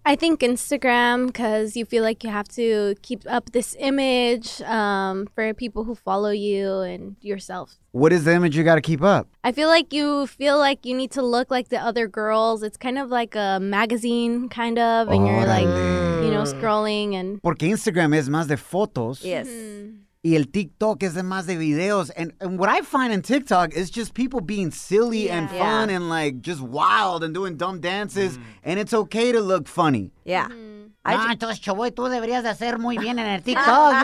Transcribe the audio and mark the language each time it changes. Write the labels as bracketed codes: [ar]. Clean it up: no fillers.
[en] I think Instagram, because you feel like you have to keep up this image for people who follow you and yourself. What is the image you got to keep up? I feel like you need to look like the other girls. It's kind of like a magazine, kind of, and you're like, you know, scrolling. And [es] porque Instagram es más de fotos. [en] Yes. [es] Y el TikTok es de más de videos. [en] And what I find in TikTok is just people being silly and fun and like just wild and doing dumb dances. Mm. And it's okay to look funny. Yeah. Mm. [es] Entonces, chavoy, tú deberías de hacer muy bien en el TikTok.